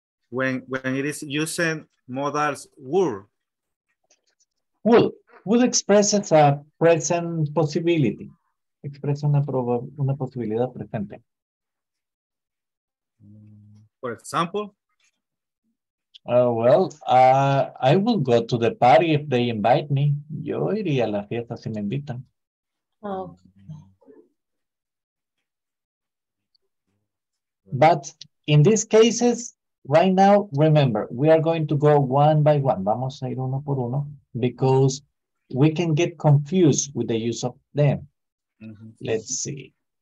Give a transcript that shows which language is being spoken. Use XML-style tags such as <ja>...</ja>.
<en>When it is using modals would. Would express as a present possibility.</en> <es>Expresa una posibilidad presente.</es> <en>For example. I will go to the party if they invite me.</en> <es>Yo iría a la fiesta si me invitan.</es> <en>Oh. But in these cases, right now, remember, we are going to go one by one.</en> <es>Vamos a ir uno por uno</es> <en>because we can get confused with the use of them. Mm-hmm. Let's see.</en>